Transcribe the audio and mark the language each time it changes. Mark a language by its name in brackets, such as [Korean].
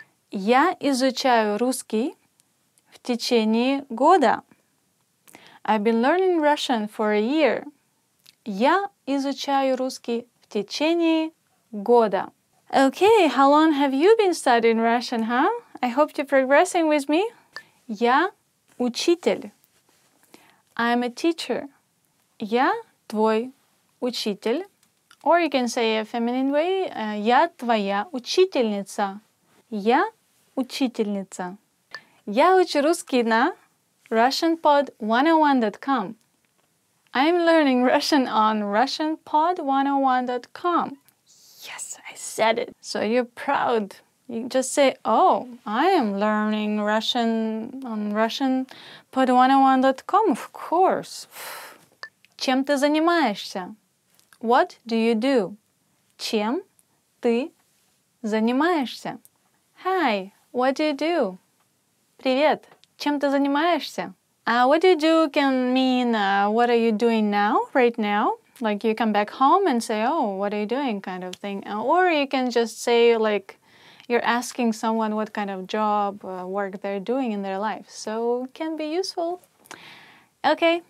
[Russian] Я изучаю русский в течение года. [English] I've been learning Russian for a year. [Russian] Я изучаю русский в течение года. [English] Okay, how long have you been studying Russian, huh? I hope you're progressing with me. [Russian] Я учитель. [English] I'm a teacher. [Russian] Я твой учитель. [English] Or you can say a feminine way, [Russian] я твоя учительница. Я учительница. Я учу русский на RussianPod101.com. [English] I'm learning Russian on RussianPod101.com. Yes, I said it. So you're proud. You just say, oh, I am learning Russian on RussianPod101.com. Of course. [Russian] Чем ты занимаешься? [English] What do you do? [Russian] Чем ты занимаешься? [English] Hi, what do you do? [Russian] Привет, чем ты занимаешься? [English] What do you do can mean what are you doing now, right now? Like you come back home and say, oh, what are you doing kind of thing. Or you can just say like you're asking someone what kind of job, work they're doing in their life. So it can be useful. Okay.